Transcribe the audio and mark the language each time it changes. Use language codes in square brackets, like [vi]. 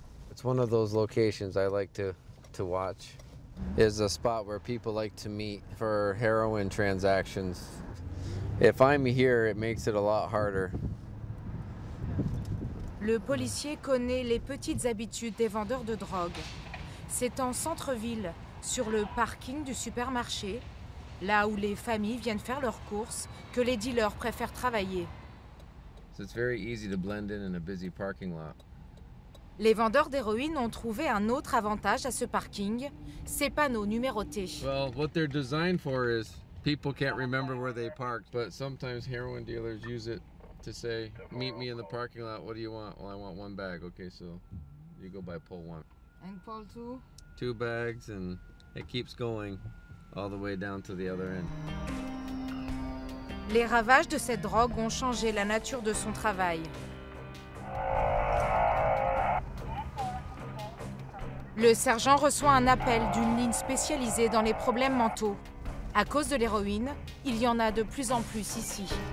[en] It's one of those locations I like to watch. Is a spot where people like to meet for heroin transactions. If I'm here, it makes it a lot harder. [fr] Le policier connaît les petites habitudes des vendeurs de drogue. C'est en centre-ville, sur le parking du supermarché, là où les familles viennent faire leurs courses, que les dealers préfèrent travailler. [en] So it's very easy to blend in a busy parking lot. [fr] Les vendeurs d'héroïne ont trouvé un autre avantage à ce parking, ces panneaux numérotés. [en] Well, what they're designed for is people can't remember where they parked, but sometimes heroin dealers use it to say, meet me in the parking lot, what do you want? Well, I want one bag. Okay, so you go by pull one. And pull two? Two bags, and it keeps going all the way down to the other end. [fr] Les ravages de cette drogue ont changé la nature de son travail. Le sergent reçoit un appel d'une ligne spécialisée dans les problèmes mentaux. À cause de l'héroïne, il y en a de plus en plus ici.